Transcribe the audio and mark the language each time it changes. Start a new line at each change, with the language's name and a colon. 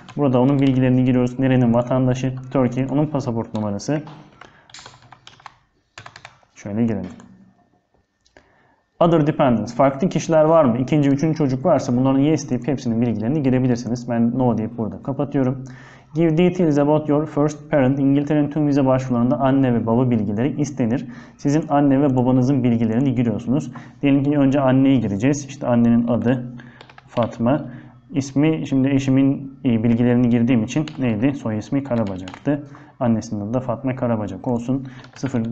Turkish: Burada onun bilgilerini giriyoruz. Nerenin vatandaşı? Turkey. Onun pasaport numarası. Şöyle girelim.
English: Other dependents.
Turkish: Farklı kişiler var mı? İkinci, üçüncü çocuk varsa bunların yes deyip hepsinin bilgilerini girebilirsiniz. Ben no deyip burada kapatıyorum.
English: Give details about your first parent.
Turkish: İngiltere'nin tüm vize başvurularında anne ve baba bilgileri istenir. Sizin anne ve babanızın bilgilerini giriyorsunuz. Diyelim ki önce anneyi gireceğiz. İşte annenin adı Fatma. İsmi, şimdi eşimin bilgilerini girdiğim için neydi? Soy ismi Karabacak'tı. Annesinin adı da Fatma Karabacak olsun. Sıfır.